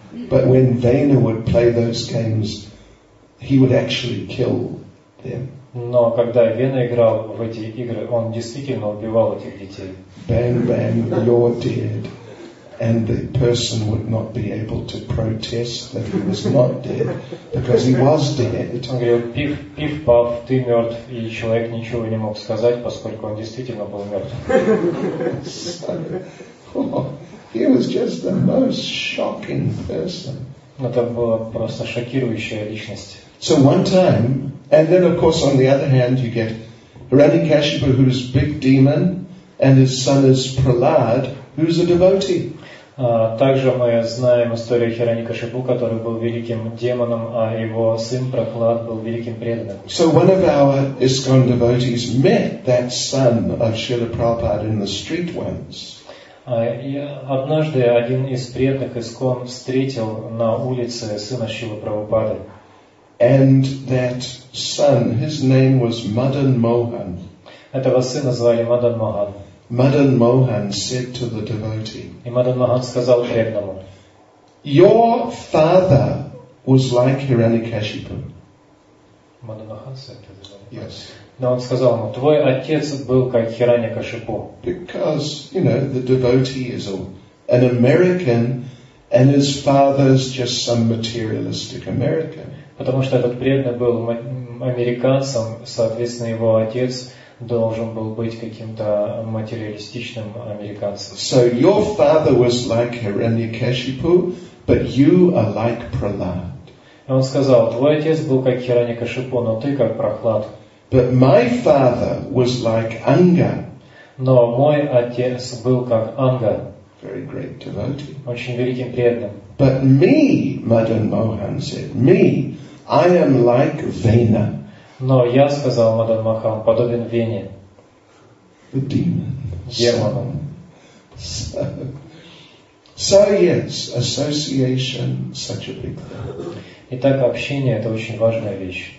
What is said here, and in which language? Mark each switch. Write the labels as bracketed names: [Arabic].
[English] But when Vena would play those games, he would actually kill them. [Russian] Но когда Вена играл в эти игры, он действительно убивал этих детей. [English] Bang, bang, you're dead. And the person would not be able to protest that he was not dead, because he was dead. [Russian] Он говорил, пиф-паф, ты мертв, и человек ничего не мог сказать, поскольку он действительно был мертв. [English] He was just the most shocking person. [Russian] Это была просто шокирующая личность. [English] So one time, and then of course on the other hand you get Hiranyakashipu, who's big demon, and his son is Prahlad, who's a devotee. [Russian] Также мы знаем историю Хираньякашипу, который был великим демоном, а его сын Прахлад был великим преданным. [English] So one of our ISKCON devotees met that son of Srila Prabhupada in the street once. [Russian] И однажды один из преданных ISKCON встретил на улице сына Шрилы Прабхупады. [English] And that son, his name was Madan Mohan. [Russian] Этого сына звали Мадан Мохан. [English] Madan Mohan said to the devotee. [Russian] И Мадан Мохан сказал преданному. [English] Your father was like Hiranyakashipu. Мадан Мохан said to the devotee. Yes. [Russian] Но он сказал ему, твой отец был как Хиранья-Кашипу. [English] Because, you know, the devotee is an American and his father is just some materialistic American. [Russian] Потому что этот преданный был американцем, соответственно, его отец должен был быть каким-то материалистичным американцем. [English] So your father was like Hiranyakashipu, but you are like Prahlad. [Russian] И он сказал, твой отец был как Хиранья-Кашипу, но ты как Прахлад. [English] But my father was like Anga. [Russian] Но мой отец был как Анга. [English] Very great devotee. [Russian] Очень великим преданным. [English] But me, Madan Mohan said, me, I am like Vena. [Russian] Но я сказал Мадан Мохан, подобен Вене. [English] The demon. [Russian] Демон. [English] So yes, association, such a big thing. [Russian] Итак, общение это очень важная вещь.